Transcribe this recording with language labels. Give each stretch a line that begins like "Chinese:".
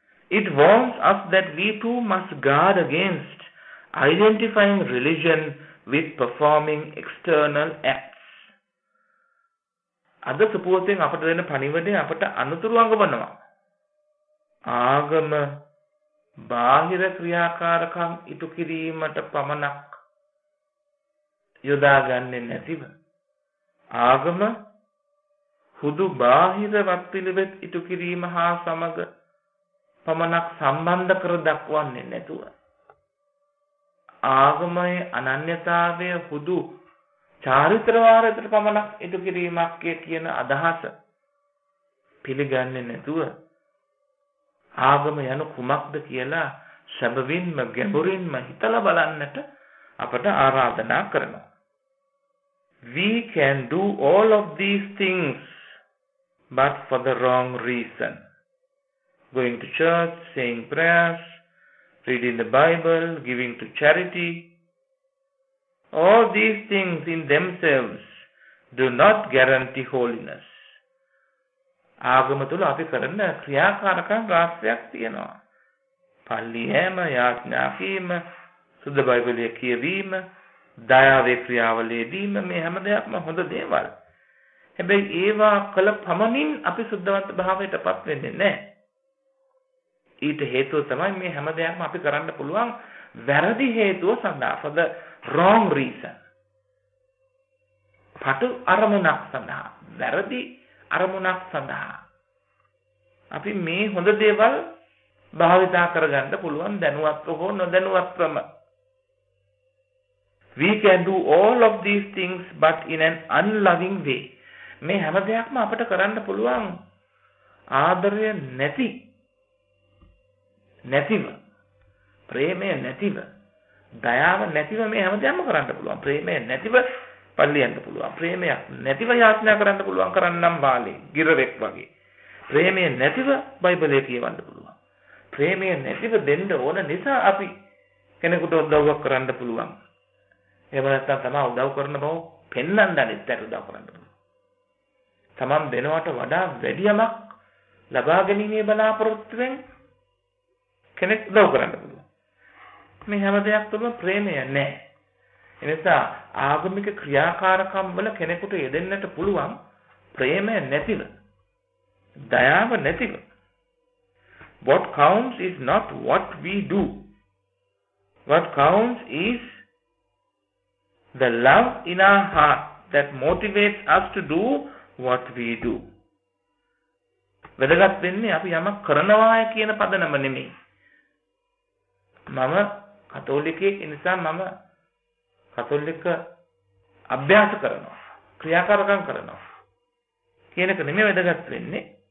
English: It warns us that we too must guard against identifying religion with performing external acts.
Sinhala: අද සුපුවතෙන් අපට දෙන පණිවිඩය අපට අනුතුරු අඟවනවා. ආගම බාහිර ක්‍රියාකාරකම් ඉටු කිරීමට පමණක් යොදාගන්නේ නැතිව ආගම හුදු බාහිර වත්පිළිවෙත් ඉටු කිරීම හා සමග පමණක් සම්බන්ධ කර දක්වන්නේ නැතුව ආගමයේ අනන්‍යතාවය හුදු චාරිත්‍ර වාරයකට පමණක් ඉටු කිරීමක් කියන අදහස පිළිගන්නේ නැතුව ආගම යනු කුමක්ද කියලා සැබවින්ම ගැඹුරින්ම හිතලා බලන්නට අපට ආරාධනා කරනවා.
English: We can do all of these things, but for the wrong reason. Going to church, saying prayers, reading the Bible, giving to charity. All these things in themselves do not guarantee holiness.
Sinhala: ආගම තුළ අපි කරන ක්‍රියාකාරකම් රාශියක් තියෙනවා. පල්ලියෑම, යාඥා කිරීම, සුද්ධ බයිබලය කියවීම, දයාවේ ක්‍රියාවලියදීම, මේ හැම දෙයක්ම හොඳ දේවල්. හැබැයි ඒවා කළ පමණින් අපි සුද්ධවන්ත භාවයට පත් වෙන්නේ නැහැ. ඊට හේතුව තමයි මේ හැම දෙයක්ම අපි කරන්න පුළුවන් වැරදි හේතුව සඳහා,
English: for the wrong reason.
Sinhala: පටු අරමුණක් සඳහා, වැරදි අරමුණක් සඳහා අපි මේ හොඳ දේවල් භාවිතා කරගන්න පුළුවන් දැනුවත්ව හෝ නොදැනුවත්වම.
English: We can do all of these things but in an unloving way.
Sinhala: මේ හැම දෙයක්ම අපට කරන්න පුළුවන් ආදරය නැතිව, ප්‍රේමය නැතිව, දයාව නැතිව මේ හැම දෙයක්ම කරන්න පුළුවන්. ප්‍රේමය නැතිව පල්ලියන්න පුළුවන්, ප්‍රේමයක් නැතිව යාඥා කරන්න පුළුවන් කරන්නම් බාලේ ගිරවෙක් වගේ, ප්‍රේමය නැතිව බයිබලයේ කියවන්න පුළුවන්, ප්‍රේමය නැතිව දෙන්න ඕන නිසා අපි කෙනෙකුට උදව්වක් කරන්න පුළුවන්, එහෙම නැත්නම් තමා උදව් කරන බව පෙන්වන්න අනිත් පැත්තට උදව් කරන්න පුළුවන්. තමන් දෙනවට වඩා වැඩියමක් ලබා ගැනීමේ බලාපොරොත්තුවෙන් කෙනෙක් උදව් කරන්න පුළුවන්. මේ හැම දෙයක් තුළ ප්‍රේමය නැහැ. එනිසා ආගමික ක්‍රියාකාරකම් වල කෙනෙකුට යෙදෙන්නට පුළුවන් ප්‍රේමය නැතිව, දයාව නැතිව.
English: What counts is not what we do. What counts is the love in our heart that motivates us to do what we do.
Sinhala: වැදගත් වෙන්නේ අපි යමක් කරනවාය කියන පදනම නෙමෙයි. මම කතෝලිකයෙක් නිසා මම කතෝලික අභ්‍යාස කරනවා, ක්‍රියාකාරකම් කරනවා කියන එක නෙමෙයි වැදගත් වෙන්නේ.